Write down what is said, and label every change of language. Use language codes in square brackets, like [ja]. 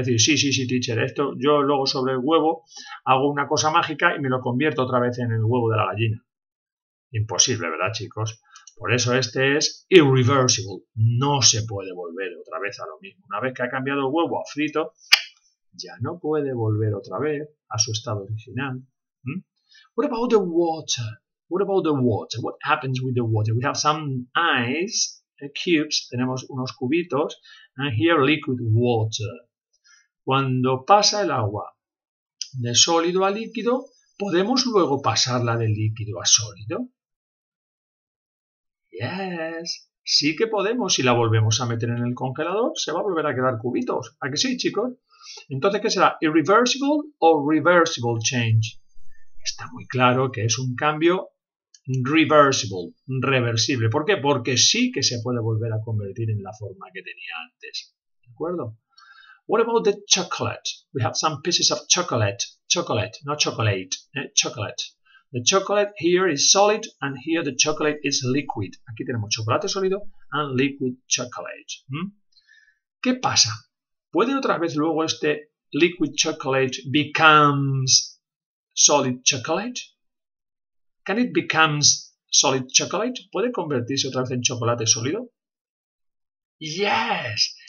[es] Es decir, sí, teacher, esto yo luego sobre el huevo hago una cosa mágica y me lo convierto otra vez en el huevo de la gallina. Imposible, ¿verdad, chicos? Por eso este es irreversible. No se puede volver otra vez a lo mismo. Una vez que ha cambiado el huevo a frito, ya no puede volver otra vez a su estado original. [en] What about the water? What about the water? What happens with the water? We have some ice cubes. [es] Tenemos unos cubitos. [en] And here liquid water. [es] Cuando pasa el agua de sólido a líquido, ¿podemos luego pasarla de líquido a sólido? Yes, sí que podemos. Si la volvemos a meter en el congelador, se va a volver a quedar cubitos. ¿A que sí, chicos? Entonces, ¿qué será? ¿Irreversible o reversible change? Está muy claro que es un cambio reversible, reversible. ¿Por qué? Porque sí que se puede volver a convertir en la forma que tenía antes. ¿De acuerdo? [en] What about the chocolate? We have some pieces of chocolate. Chocolate, not chocolate. Chocolate. The chocolate here is solid and here the chocolate is liquid. [es] Aquí tenemos chocolate sólido [en] and liquid chocolate. [es] ¿Qué pasa? ¿Puede otra vez luego este [en] liquid chocolate becomes solid chocolate? Can it becomes solid chocolate? [es] ¿Puede convertirse otra vez en chocolate sólido? Yes!